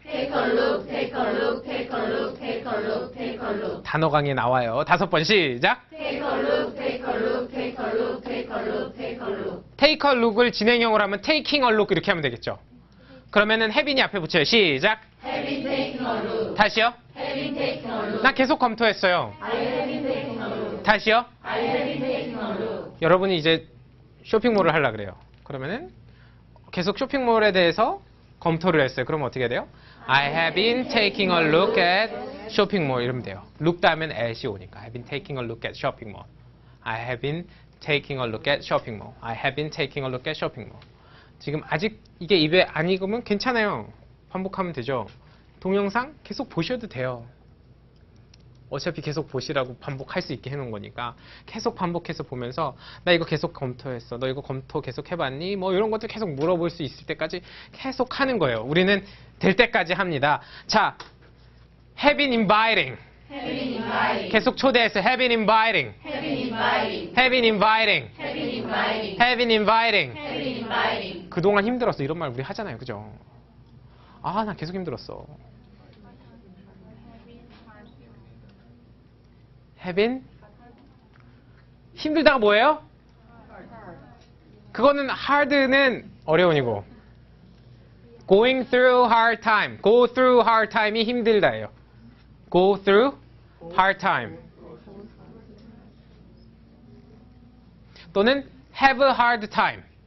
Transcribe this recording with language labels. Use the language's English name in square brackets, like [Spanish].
[English] Take a look. Take a look. Take a look. Take a look. Take a look. [Korean] 단어 강의 나와요. 다섯 번 시작. [English] Take a look. Take a look. Take a look. Take a look. Take a look. Take a look [Korean] 을 진행형으로 하면 [English] taking a look [Korean] 이렇게 하면 되겠죠. 그러면은 해빈이 앞에 붙여요. 시작. [English] Have been taking a look. [Korean] 다시요. [English] Have been taking a look. [Korean] 나 계속 검토했어요. [English] I have been taking a look. [Korean] 다시요. [English] I have been taking a look. [Korean] 여러분이 이제 쇼핑몰을 하려고 그래요. 그러면은 계속 쇼핑몰에 대해서 검토를 했어요. 그러면 어떻게 돼요? [English] I have been taking a look at 쇼핑몰 [Korean] 이러면 돼요. look 다음엔 at이 오니까. [English] I have been taking a look at 쇼핑몰. I have been taking a look at 쇼핑몰. I have been taking a look at 쇼핑몰. [Korean] 지금 아직 이게 입에 안 익으면 괜찮아요. 반복하면 되죠. 동영상 계속 보셔도 돼요. 어차피 계속 보시라고 반복할 수 있게 해놓은 거니까 계속 반복해서 보면서 나 이거 계속 검토했어. 너 이거 검토 계속 해봤니? 뭐 이런 것도 계속 물어볼 수 있을 때까지 계속 하는 거예요. 우리는 될 때까지 합니다. [English] 자, have been inviting. Have been inviting. [Korean] 계속 초대해서 [English] have been inviting. Have been inviting. Have been inviting. Have been inviting. Have been inviting. Have been inviting. [Korean] 그동안 힘들었어. 이런 말 우리 하잖아요. 그죠? 아, 나 계속 힘들었어. [English] Have been [Korean] 힘들다가 뭐예요? 그거는 hard는 어려운이고 [English] going through hard time. go through hard time이 [Korean] 힘들다예요. [English] Go through hard time. 또는 have a hard time.